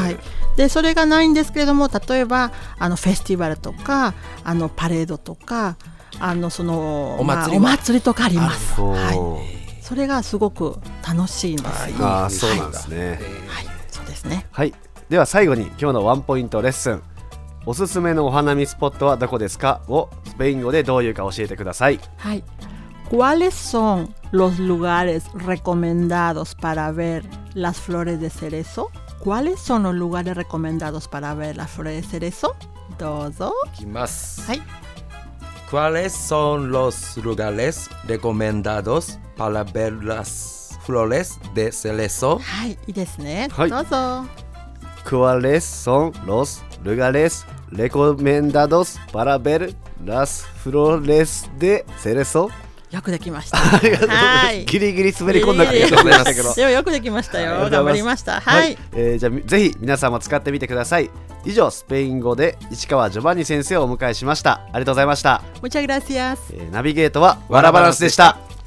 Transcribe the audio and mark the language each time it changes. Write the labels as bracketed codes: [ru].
[ja] はい、でそれがないんですけれども、例えばあのフェスティバルとか、あのパレードとか、あのそのお祭り、まあ、お祭りとかあります。そう、はい、それがすごく楽しいんです。あ、そうなんですね、はい、そうですね、はい、では最後に今日のワンポイントレッスン、おすすめのお花見スポットはどこですかをスペイン語でどういうか教えてください。はい、 [es] ¿Cuáles son los lugares recomendados para ver las flores de cerezo? ¿Cuáles son los lugares recomendados para ver las flores de cerezo? [ja] どうぞ。いきます。はい、 [es] ¿Cuáles son los lugares recomendados para ver las flores de cerezo? [ja] はい、いいですね、はい、どうぞ。 [es] ¿Cuáles son los lugares recomendados para ver las flores de cerezo? [ja] よくできました。ありがとうございます。ギリギリ滑り込んだからありがとうございましたけど。でもよくできましたよ。頑張りました。はい。はい、じゃあぜひ皆さんも使ってみてください。以上、スペイン語で市川ジョバンニ先生をお迎えしました。ありがとうございました。 [es] Muchas gracias. [ja] ナビゲートはワラバランスでした。